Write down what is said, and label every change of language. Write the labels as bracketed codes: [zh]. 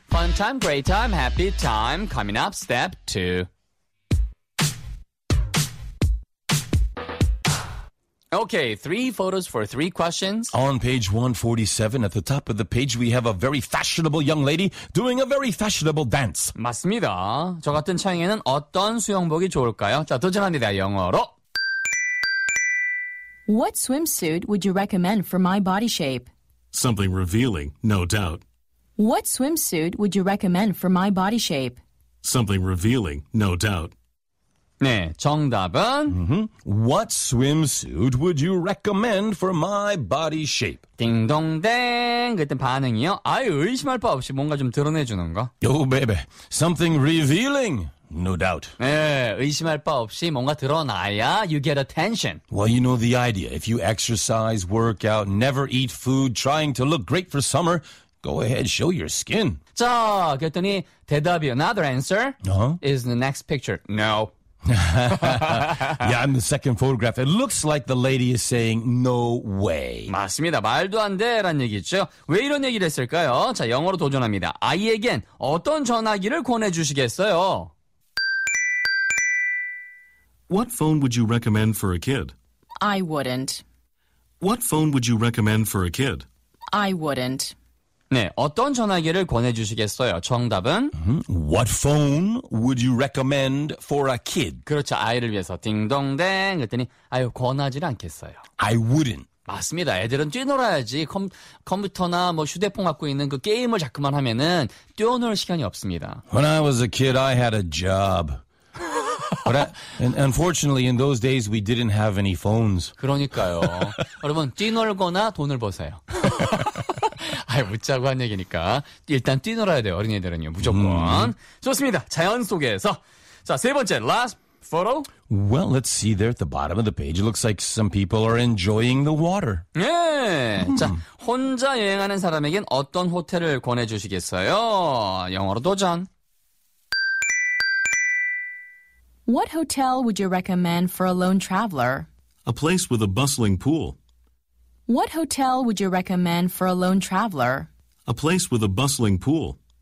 [en] Fun time, great time, happy time, coming up step two. Okay, three photos for three questions. On page 147, at the top of the page, we have a very fashionable young lady doing a very fashionable dance. [ko] 맞습니다. 저 같은 차이에는 어떤 수영복이 좋을까요? 자, 도전합니다. 영어로. [en] What swimsuit would you recommend for my body shape? Something revealing, no doubt. What swimsuit would you recommend for my body shape? Something revealing, no doubt. [ko] 네, 정답은 [en] What swimsuit would you recommend for my body shape? [ko] 딩동댕 그랬던 반응이요. 아유, 의심할 바 없이 뭔가 좀 드러내주는 거. [en] Oh, baby, something revealing, no doubt. [ko] 네, 의심할 바 없이 뭔가 드러나야 [en] you get attention. Well, you know the idea. If you exercise, work out, never eat food, trying to look great for summer, go ahead, show your skin. [ko] 자, 그랬더니 대답이 [en] another answer is the next picture. No. Yeah, in the second photograph, it looks like the lady is saying, no way. [ko] 맞습니다. 말도 안 돼란 얘기죠. 왜 이런 얘기를 했을까요? 자, 영어로 도전합니다. 아이에겐 어떤 전화기를 권해주시겠어요? [en] What phone would you recommend for a kid? I wouldn't. What phone would you recommend for a kid? I wouldn't. [ko] 네, 어떤 전화기를 권해주시겠어요? 정답은 [en] What phone would you recommend for a kid? [ko] 그렇죠, 아이를 위해서 딩동댕 그랬더니 아유, 권하지 않겠어요. [en] I wouldn't. [ko] 맞습니다. 애들은 뛰놀아야지. 컴퓨터나 뭐 휴대폰 갖고 있는 그 게임을 자꾸만 하면은 뛰어놀 시간이 없습니다. [en] When I was a kid, I had a job. But unfortunately, in those days, we didn't have any phones. [ko] 그러니까요. 여러분, 뛰놀거나 돈을 버세요. 아, 웃자고 한 얘기니까 일단 뛰놀아야 돼요. 어린애들은요. 무조건. 좋습니다. 자연 속에서. 자, 세 번째, [en] last photo. Well, let's see there at the bottom of the page. It looks like some people are enjoying the water. [ko] 네. 자, 혼자 여행하는 사람에겐 어떤 호텔을 권해주시겠어요? 영어로 도전. [en] What hotel would you recommend for a lone traveler? A place with a bustling pool. What hotel would you recommend for a lone traveler? A place with a bustling pool.